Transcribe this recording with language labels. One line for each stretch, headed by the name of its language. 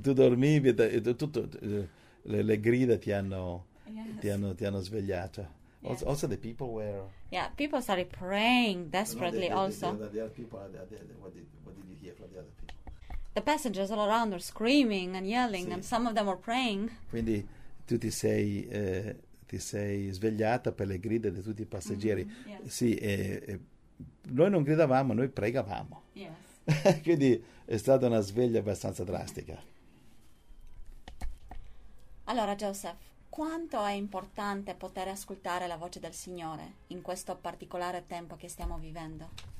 Italian: Tu dormivi, tutto, le grida ti hanno, yes, ti hanno svegliato.
English: Yes. Also, the people were. Yeah, people started praying desperately. Also, the other people, what did you hear from the other people? The passengers all around were screaming and yelling, sì, and some of them were praying.
Italian: Quindi tu ti sei svegliata per le grida di tutti i passeggeri.
English: Mm-hmm. Yes.
Italian: Sì, e noi non gridavamo, noi pregavamo.
English: Yes.
Italian: Quindi è stata una sveglia abbastanza drastica. Allora, Joseph, quanto è importante poter ascoltare la voce del Signore in questo particolare tempo che stiamo vivendo?